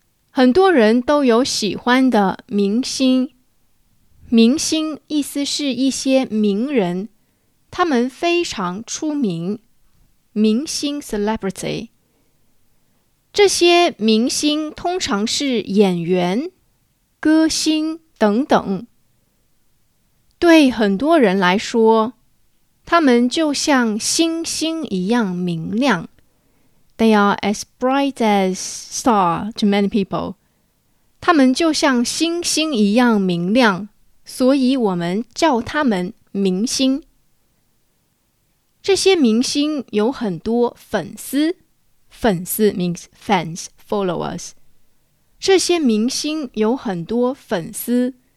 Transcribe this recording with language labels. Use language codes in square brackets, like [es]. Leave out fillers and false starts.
[zh] 很多人都有喜欢的明星，明星意思是一些名人，他们非常出名，明星 celebrity。这些明星通常是演员、歌星等等。对很多人来说，他们就像星星一样明亮。 [en] They are as bright as star to many people. [zh] 他们就像星星一样明亮，所以我们叫他们明星。这些明星有很多粉丝，粉丝 [en] means fans, followers. [zh] 这些明星有很多粉丝。